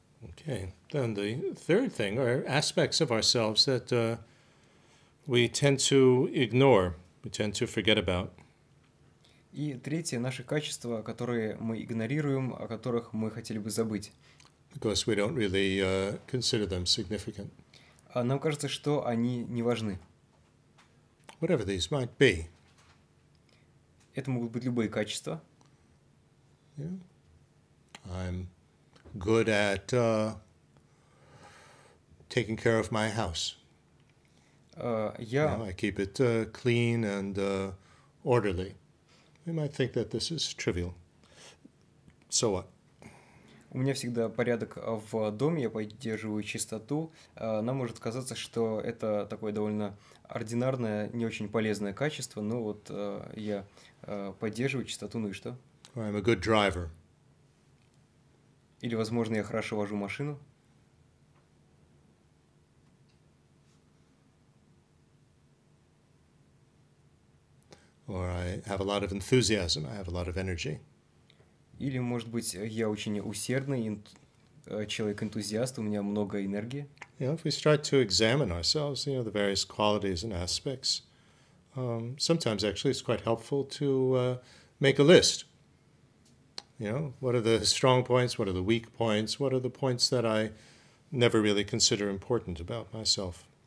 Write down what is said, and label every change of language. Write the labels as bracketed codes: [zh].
[en] Okay, then the third thing are aspects of ourselves that we tend to ignore, we tend to forget about. [ru] И третье — наши качества, которые мы игнорируем, о которых мы хотели бы забыть. [en] Because we don't really consider them significant. [ru] А нам кажется, что они не важны. [en] Whatever these might be. [ru] Это могут быть любые качества. [en] Yeah. I'm good at taking care of my house. I keep it clean and orderly. We might think that this is trivial. So what? [ru] У меня всегда порядок в доме, я поддерживаю чистоту. Нам может казаться, что это такое довольно ординарное, не очень полезное качество, но вот я поддерживаю чистоту, ну и что? [en] I'm a good driver. [ru] Или, возможно, я хорошо вожу машину. [en] Or I have a lot of enthusiasm, I have a lot of energy. [ru] Или, может быть, я очень усердный человек-энтузиаст, у меня много энергии. [en] Yeah, if we start to examine ourselves, you know, the various qualities and aspects, sometimes actually it's quite helpful to make a list. You know, what are the strong points, what are the weak points, what are the points that I never really consider important about myself?